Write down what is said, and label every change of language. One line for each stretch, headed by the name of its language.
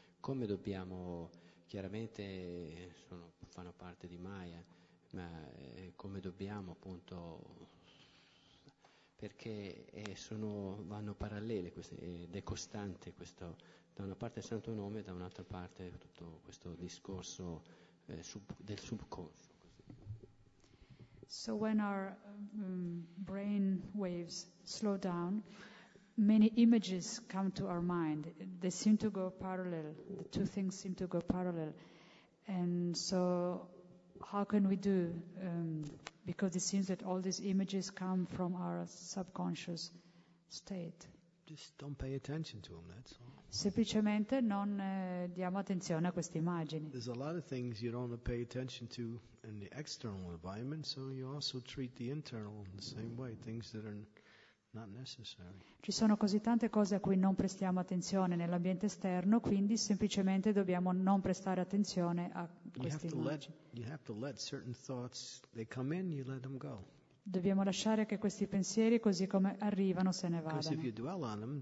Italian: Come dobbiamo, chiaramente fanno parte di Maya, ma come dobbiamo appunto, perché vanno parallele queste, ed è costante questo, da una parte il santo nome e da un'altra parte tutto questo discorso del subconscio.
English: So when our brain waves slow down, many images come to our mind. They seem to go parallel. The two things seem to go parallel. And so how can we do? Because it seems that all these images come from our subconscious state. Just don't pay attention to them, that's all.
Italian: Semplicemente non diamo attenzione a queste immagini.
English: There's a lot of things you don't pay attention to in the external environment, so you also treat the internal in the same way, things that are not necessary.
Italian: Ci sono così tante cose a cui non prestiamo attenzione nell'ambiente esterno, quindi semplicemente dobbiamo non prestare attenzione a queste immagini.
English: You have to let certain thoughts, they come in, you let them go.
Italian: Dobbiamo lasciare che questi pensieri, così come arrivano, se ne vadano.